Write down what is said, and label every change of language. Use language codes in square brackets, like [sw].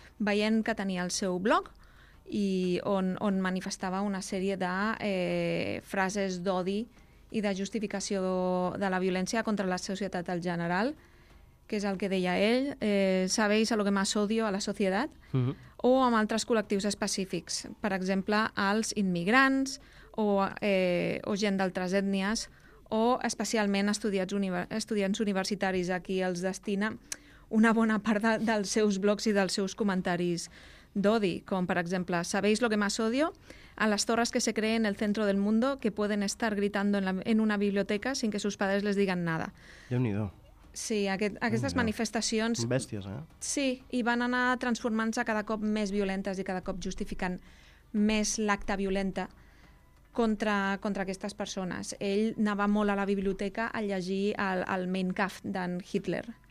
[ca] Veient que tenia el seu blog, i on manifestava una sèrie de frases d'odi i de justificació de la violència contra la societat en general, que és el que deia ell, [es] sabeis a lo que más odio [ca] a la societat, o amb altres col·lectius específics, per exemple, els immigrants o gent d'altres ètnies, o especialment estudiants universitaris, a qui els destina una bona part dels seus blogs i dels seus comentaris d'odi, com per exemple, [es] ¿sabéis lo que más odio? A las torres que se creen en el centro del mundo que pueden estar gritando en una biblioteca sin que sus padres les digan nada. [ca] Déu-n'hi-do. Sí, aquestes manifestacions... Bèsties, eh? Sí, i van anar transformant-se cada cop més violentes i cada cop justificant més l'acte violenta contra aquestes persones. Ell anava molt a la biblioteca a llegir el Mein Kampf d'en Hitler.